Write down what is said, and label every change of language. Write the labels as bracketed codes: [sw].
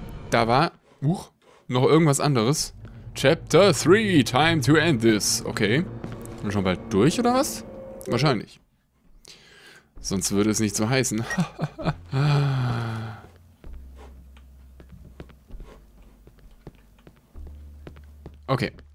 [de] Da war, noch irgendwas anderes. [en] Chapter 3, time to end this. [de] Okay, sind wir schon bald durch oder was? Wahrscheinlich. Sonst würde es nicht so heißen. Okay.